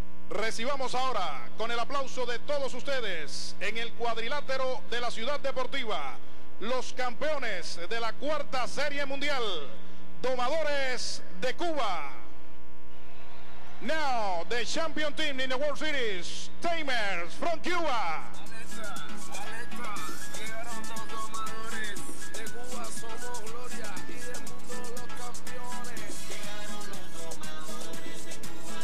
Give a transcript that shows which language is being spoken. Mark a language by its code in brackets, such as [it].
[es] Recibamos ahora, con el aplauso de todos ustedes, en el cuadrilátero de la Ciudad Deportiva, los campeones de la cuarta serie mundial, Domadores de Cuba. [en] Now, the champion team in the World Series, Tamers from Cuba. [es] Somos gloria y del mundo los campeones. Llegaron los domadores de Cuba.